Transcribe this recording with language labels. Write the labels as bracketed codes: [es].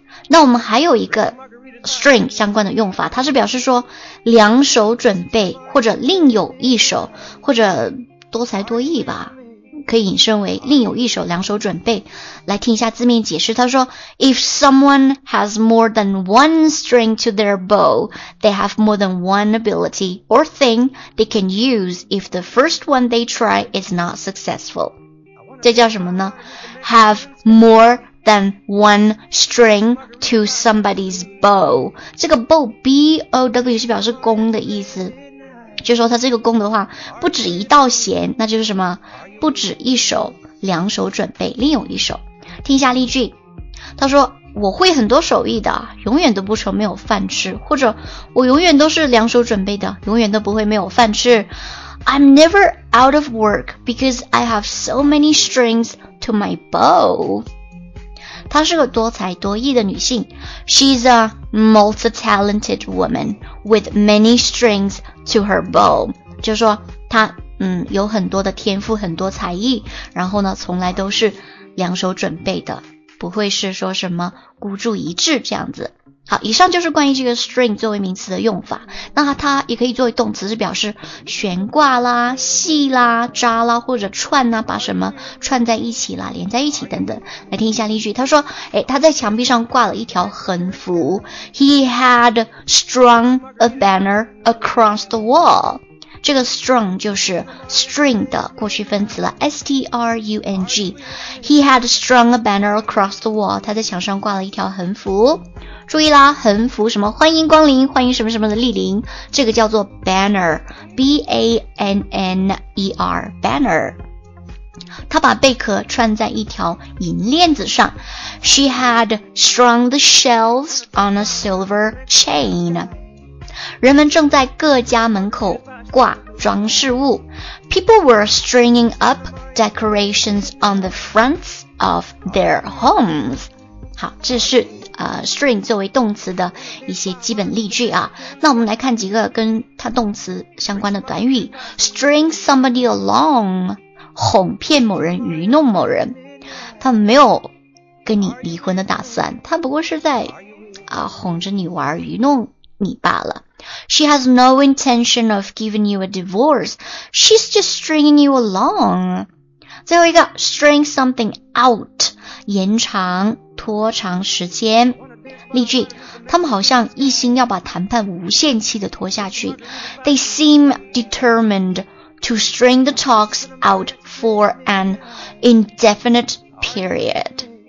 [zh] 那我们还有一个 string 相关的用法，它是表示说两手准备，或者另有一手，或者多才多艺吧，可以引申为另有一手，两手准备。 [en] 来听一下字面解释，它说 If someone has more than one string to their bow, they have more than one ability or thing they can use if the first one they try is not successful. [zh] 这叫什么呢？ Have morethan one string to somebody's bow，这个 bow B-O-W 是表示弓的意思，就是说它这个弓的话不止一道弦，那就是什么？不止一手，两手准备，另有一手。听一下例句，他说我会很多手艺的，永远都不愁没有饭吃，或者我永远都是两手准备的，永远都不会没有饭吃。 [en] I'm never out of work because I have so many strings to my bow。 [zh] 她是个多才多艺的女性。 [en] She's a multi-talented woman with many strings to her bow. [zh] 就是说她有很多的天赋，很多才艺，然后呢从来都是两手准备的，不会是说什么孤注一掷这样子。好，以上就是关于这个 string 作为名词的用法。那它也可以作为动词，是表示悬挂啦、系啦、扎啦或者串啦，把什么串在一起啦、连在一起等等。来听一下例句，他说，诶，他在墙壁上挂了一条横幅。 [en] He had strung a banner across the wall. [zh] 这个 strung 就是 string 的过去分词了 ,strung. [en] He had strung a banner across the wall. [zh] 他在墙上挂了一条横幅。注意啦，横幅什么欢迎光临，欢迎什么什么的莅临，这个叫做 banner, B-A-N-N-E-R, banner. 她把贝壳串在一条银链子上。 [en] She had strung the shelves on a silver chain. [zh] 人们正在各家门口挂装饰物。 [en] People were stringing up decorations on the fronts of their homes. [zh] 好，这是string 作为动词的一些基本例句啊。那我们来看几个跟它动词相关的短语。 String somebody along, 哄骗某人，愚弄某人。他没有跟你离婚的打算，他不过是在哄着你玩，愚弄你罢了。 [en] She has no intention of giving you a divorce. She's just stringing you along. 最后一个 string something out, 延长拖长时间。 [zh] 例句，他们好像一心要把谈判无限期的拖下去。 [en] They seem determined to string the talks out for an indefinite period.